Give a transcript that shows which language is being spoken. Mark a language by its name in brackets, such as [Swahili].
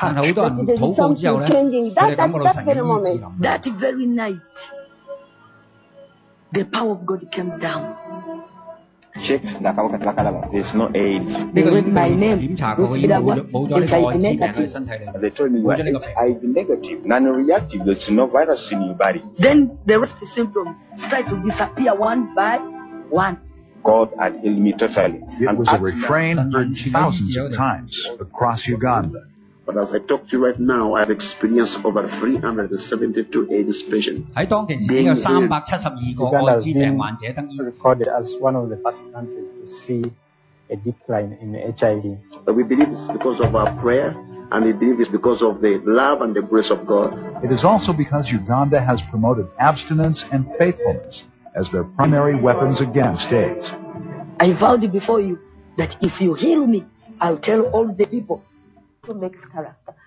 [Cantonese] 但很多人祷告之后呢，佢哋感觉到神嘅医治。 [English] That very night, the power of God came down. [Cantonese] Check, 嗱，我睇下啦嘛。 [English] There's no AIDS. [Cantonese] 呢个检查过，佢已经冇咗呢个艾滋病喺身体里，冇咗呢个病。 [English] Non-reactive. There's no virus in your body. Then the rest of the symptoms start to disappear one by one. God had healed me totally. It was a refrain heard thousands of times across Uganda. But as I talk to you right now, I have experienced over 372 AIDS patients. [Cantonese] 在当其时已经有372个艾滋病患者登医。 [English] Recorded as one of the first countries to see a decline in HIV. But we believe it's because of our prayer, and we believe it's because of the love and the grace of God. It is also because Uganda has promoted abstinence and faithfulness as their primary weapons against AIDS. I vowed before you that if you heal me, I'll tell all the people to make character.